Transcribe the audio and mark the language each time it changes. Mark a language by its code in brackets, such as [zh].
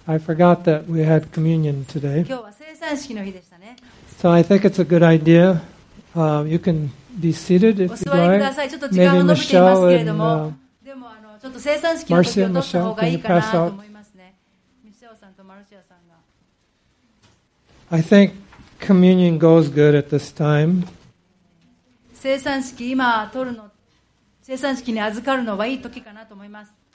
[en] I forgot that we had communion today. [ja] 今日は聖餐式の日でしたね。 [en] So I think it's a good idea. You can be seated if you'd like. [ja] お座りください。ちょっと時間を延びていますけれども、でもちょっと聖餐式の時を取った方がいいかなと思いますね。ミシェオさんとマルシアさんが。 [en] I think communion goes good at this time. [ja] 聖餐式今取るの。聖餐式に預かるのはいい時かなと思います。